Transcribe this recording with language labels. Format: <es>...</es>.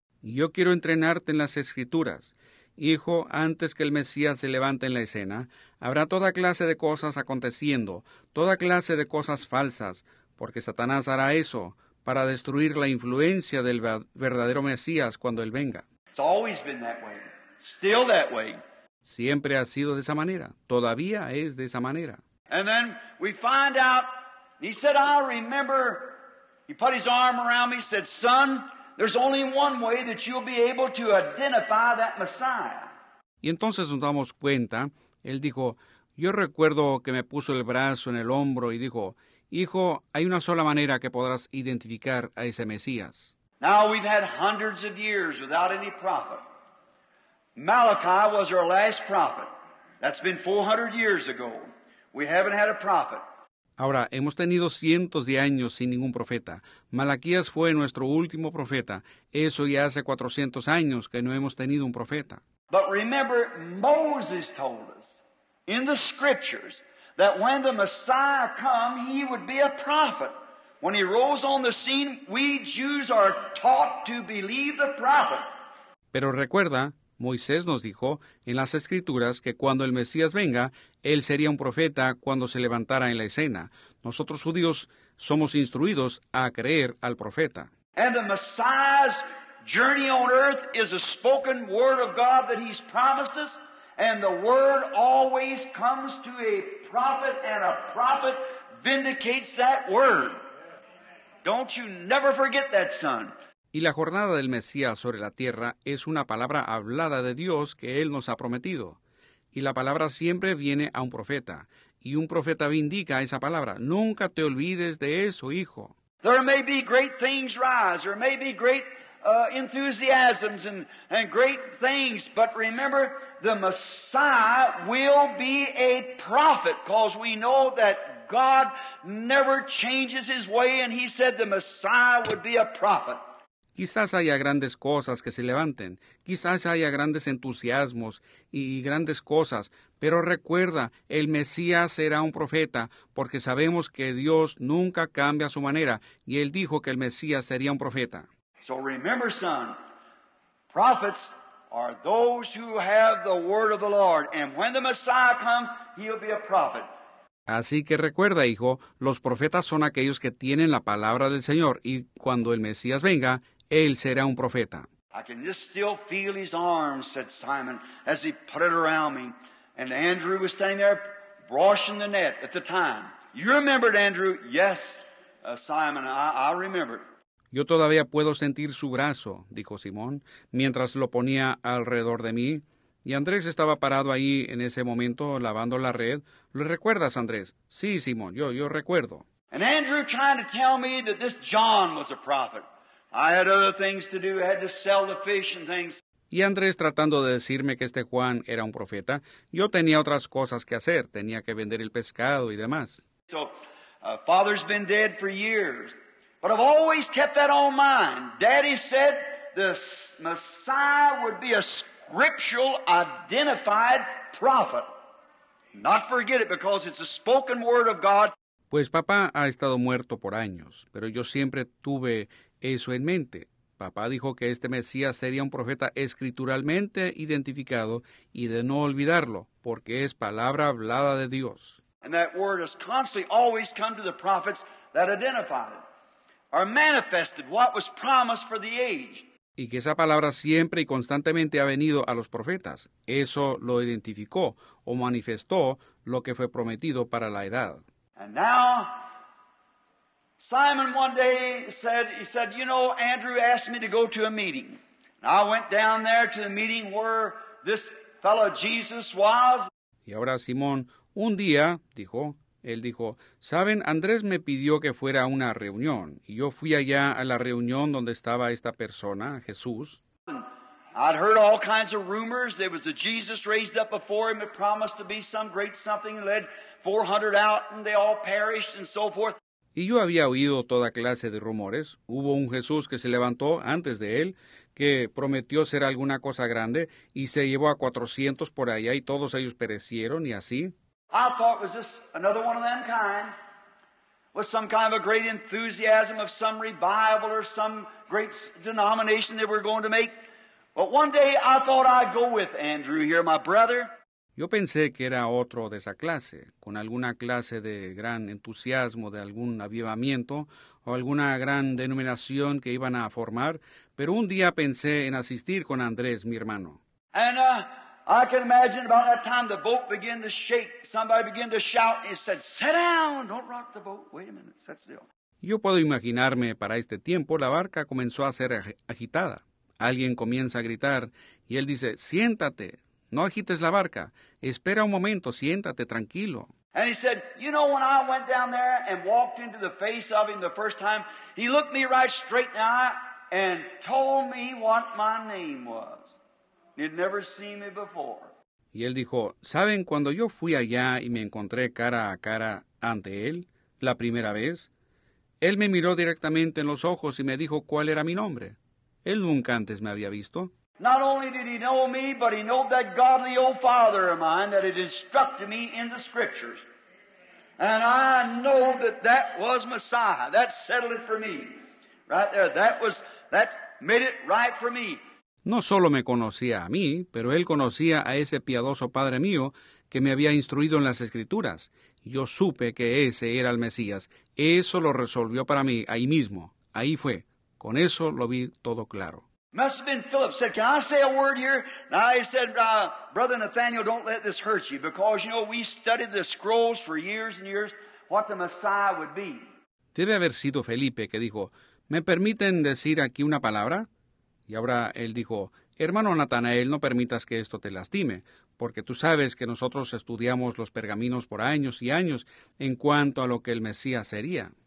<es>Yo quiero entrenarte en las Escrituras. Hijo, antes que el Mesías se levante en la escena, habrá toda clase de cosas aconteciendo, toda clase de cosas falsas, porque Satanás hará eso para destruir la influencia del verdadero Mesías cuando él venga.</es> <en>It's always been that way. Still that way.</en> <es>Siempre ha sido de esa manera. Todavía es de esa manera.</es> <en>And then we find out, he said, I remember, he put his arm around me, said, son, there's only one way that you'll be able to identify that Messiah.</en> <es>Y entonces nos damos cuenta, él dijo, yo recuerdo que me puso el brazo en el hombro y dijo, hijo, hay una sola manera que podrás identificar a ese Mesías.</es> <en>Now we've had hundreds of years without any prophet. Malachi was our last prophet. That's been 400 years ago. We haven't had a prophet.</en> <es>Ahora, hemos tenido cientos de años sin ningún profeta. Malaquías fue nuestro último profeta. Eso ya hace 400 años que no hemos tenido un profeta.</es> <en>But remember, Moses told us in the scriptures that when the Messiah come, he would be a prophet. When he rose on the scene, we Jews are taught to believe the prophet.</en> <es>Pero recuerda, Moisés nos dijo en las Escrituras que cuando el Mesías venga, él sería un profeta cuando se levantara en la escena. Nosotros judíos somos instruidos a creer al profeta.</es> <en>And the Messiah's journey on earth is a spoken word of God that he's promised us. And the word always comes to a prophet, and a prophet vindicates that word. Don't you never forget that, son.</en> <es>Y la jornada del Mesías sobre la tierra es una palabra hablada de Dios que Él nos ha prometido. Y la palabra siempre viene a un profeta. Y un profeta vindica esa palabra. Nunca te olvides de eso, hijo.</es> <en>There may be great things rise. There may be great enthusiasms and great things. But remember, the Messiah will be a prophet, because we know that God never changes his way, and he said the Messiah would be a prophet.</en> <es>Quizás haya grandes cosas que se levanten, quizás haya grandes entusiasmos y grandes cosas, pero recuerda, el Mesías será un profeta, porque sabemos que Dios nunca cambia su manera, y él dijo que el Mesías sería un profeta.</es> <en>So remember, son, prophets are those who have the word of the Lord, and when the Messiah comes, he'll be a prophet.</en> <es>Así que recuerda, hijo, los profetas son aquellos que tienen la palabra del Señor, y cuando el Mesías venga, él será un profeta.</es> <en>I can just still feel his arms, said Simon, as he put it around me. And Andrew was standing there brushing the net at the time. You remembered, Andrew? Yes, Simon, I remember.</en> <es>Yo todavía puedo sentir su brazo, dijo Simón, mientras lo ponía alrededor de mí. Y Andrés estaba parado ahí en ese momento lavando la red. ¿Lo recuerdas, Andrés? Sí, Simón, yo recuerdo.</es> <en>And Andrew trying to tell me that this John was a prophet. I had other things to do. I had to sell the fish and things.</en> <es>Y Andrés tratando de decirme que este Juan era un profeta, yo tenía otras cosas que hacer. Tenía que vender el pescado y demás.</es> <en>So, father's been dead for years. But I've always kept that on mind. Daddy said the Messiah would be a scriptural identified prophet. Not forget it, because it's a spoken word of God.</en> <es>Pues papá ha estado muerto por años, pero yo siempre tuve eso en mente. Papá dijo que este Mesías sería un profeta escrituralmente identificado y de no olvidarlo, porque es palabra hablada de Dios.</es> <en>And that word has constantly always come to the prophets that identified it, or manifested what was promised for the age.</en> <es>Y que esa palabra siempre y constantemente ha venido a los profetas. Eso lo identificó o manifestó lo que fue prometido para la edad.</es> <en>And now, Simon one day said, you know, Andrew asked me to go to a meeting. And I went down there to the meeting where this fellow Jesus was.</en> <es>Y ahora Simón, un día, dijo, él dijo, saben, Andrés me pidió que fuera a una reunión. Y yo fui allá a la reunión donde estaba esta persona, Jesús.</es> <en>And I'd heard all kinds of rumors. There was a Jesus raised up before him that promised to be some great something, led 400 out and they all perished and so forth.</en> <es>Y yo había oído toda clase de rumores. Hubo un Jesús que se levantó antes de él, que prometió ser alguna cosa grande, y se llevó a 400 por allá, y todos ellos perecieron, y así.</es> <en>I thought it was just another one of them kind, with some kind of a great enthusiasm of some revival or some great denomination they were going to make. But one day I thought I'd go with Andrew here, my brother.</en> <es>Yo pensé que era otro de esa clase, con alguna clase de gran entusiasmo, de algún avivamiento, o alguna gran denominación que iban a formar, pero un día pensé en asistir con Andrés, mi hermano.</es> <en>And I can imagine about that time the boat began to shake, somebody began to shout, and said, sit down, don't rock the boat, wait a minute, sit still.</en> <es>Yo puedo imaginarme para este tiempo, la barca comenzó a ser agitada. Alguien comienza a gritar, y él dice, siéntate. No agites la barca. Espera un momento. Siéntate tranquilo.</es> <en>And he said, you know, when I went down there and walked into the face of him the first time, he looked me right straight in the eye and told me what my name was. He'd never seen me before.</en> <es>Y él dijo, ¿saben? Cuando yo fui allá y me encontré cara a cara ante él la primera vez, él me miró directamente en los ojos y me dijo cuál era mi nombre. Él nunca antes me había visto.</es> <en>Not only did he know me, but he knew that godly old father of mine that had instructed me in the scriptures. And I know that that was Messiah. That settled it for me. Right there, that made it right for me.</en> <es>No solo me conocía a mí, pero él conocía a ese piadoso padre mío que me había instruido en las Escrituras. Yo supe que ese era el Mesías. Eso lo resolvió para mí ahí mismo. Ahí fue. Con eso lo vi todo claro.</es> <en>Must have been Philip said, "Can I say a word here?" Now he said, "Brother Nathaniel, don't let this hurt you, because you know we studied the scrolls for years and years, what the Messiah would be."</en> <es>Debe haber sido Felipe que dijo, "¿Me permiten decir aquí una palabra?" Y ahora él dijo, "Hermano Natanael, no permitas que esto te lastime, porque tú sabes que nosotros estudiamos los pergaminos por años y años en cuanto a lo que el Mesías sería."</es>